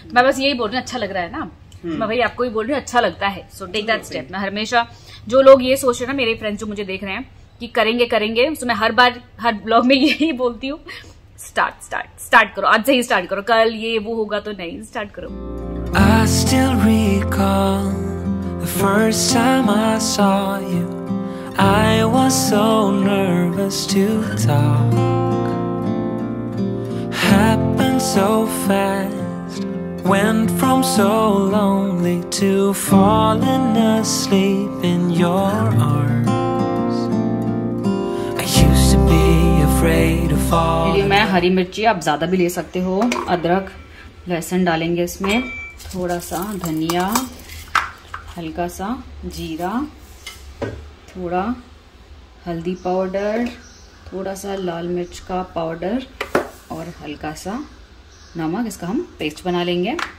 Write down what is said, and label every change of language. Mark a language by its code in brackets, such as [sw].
[hi] मैं बस यही बोल रही हूँ, अच्छा लग रहा है ना? मैं भाई आपको भी बोल रही हूँ, अच्छा लगता है, [en] So take that step. [hi] मैं हमेशा जो लोग ये सोच रहे ना, मेरे फ्रेंड्स जो मुझे देख रहे हैं कि करेंगे करेंगे, सो मैं हर बार हर ब्लॉग में यही बोलती हूँ, स्टार्ट स्टार्ट स्टार्ट करो, आज से ही स्टार्ट करो, कल ये वो होगा तो नहीं, स्टार्ट करो। [en] First time I saw you, I was so nervous to talk. Happened so fast, went from so lonely to falling asleep in your arms. I used to be afraid of all. [hi] मैं हरी मिर्ची, आप ज्यादा भी ले सकते हो, अदरक लहसुन डालेंगे इसमें, थोड़ा सा धनिया, हल्का सा जीरा, थोड़ा हल्दी पाउडर, थोड़ा सा लाल मिर्च का पाउडर और हल्का सा नमक, इसका हम पेस्ट बना लेंगे।